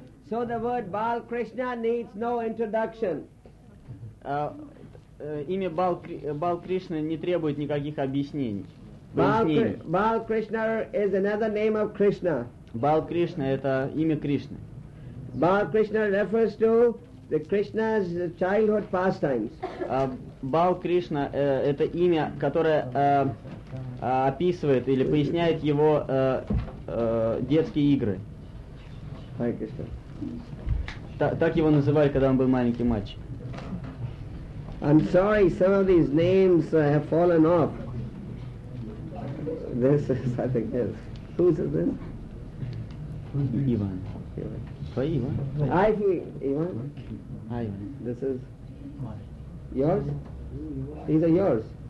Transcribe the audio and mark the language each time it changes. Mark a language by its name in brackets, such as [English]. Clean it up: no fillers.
[English] So the word Bal Krishna needs no introduction. [Russian] Имя Бал Кришна не требует никаких объяснений. [English] Bal Krishna is another name of Krishna. [Russian] Bal Krishna это имя Кришны. [English] Bal Krishna refers to the Krishna's childhood pastimes. [Russian] Bal Krishna это имя, которое описывает или поясняет его детские игры. [English] Hare Krishna. [Russian] Так его называли, когда он был маленький мальчик. [English] I'm sorry, some of these names have fallen off. This is, I think, this. Who's this? Ivan. Ivan. Ivan. Ivan. Ivan. This is yours? These are yours.